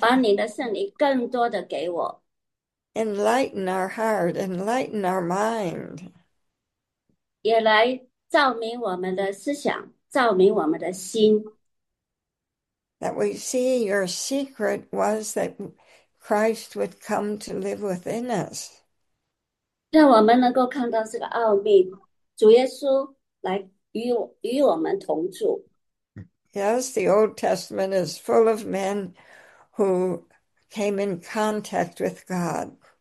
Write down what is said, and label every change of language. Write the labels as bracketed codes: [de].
[zh] 把你的圣灵更多的给我， [en] Enlighten our heart, enlighten our mind. [zh] 也来照明我们的思想，照明我们的心。 [en] That we see your secret was that Christ would come to live within us. [zh] 让我们能够看到这个奥秘，主耶稣来与我们同住。 [en] Yes, the Old Testament is full of men who came in contact with God.